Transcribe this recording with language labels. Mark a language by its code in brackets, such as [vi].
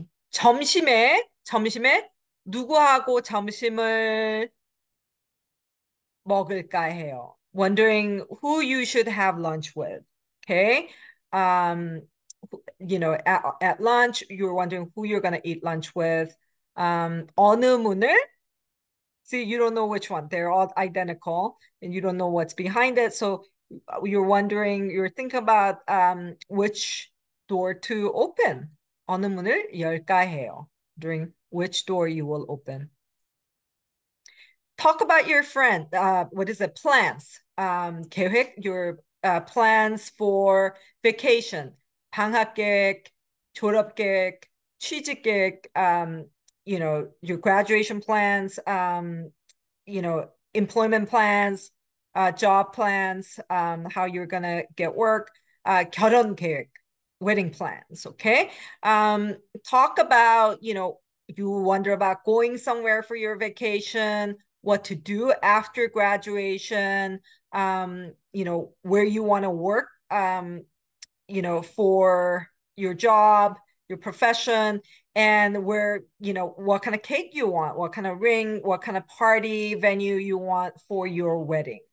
[ko] 점심에 누구하고 점심을 먹을까 해요. [en] Wondering who you should have lunch with. Okay. At lunch, you're wondering who you're going to eat lunch with. [ko] 어느 문을 [en] See, you don't know which one. They're all identical, and you don't know what's behind it. So you're wondering, you're thinking about which door to open. [ko] 어느 문을 열까 해요. [en] During which door you will open. Talk about your friend. What is it? Plans. 계획, your plans for vacation. [ko] 방학 계획, 졸업 계획, 취직 계획. [en] Your graduation plans, employment plans, job plans, how you're gonna get work, [ko] 결혼 계획, [en] wedding plans, okay? Talk about, you wonder about going somewhere for your vacation, what to do after graduation, where you want to work, for your job, your profession, and where, what kind of cake you want, what kind of ring, what kind of party venue you want for your wedding.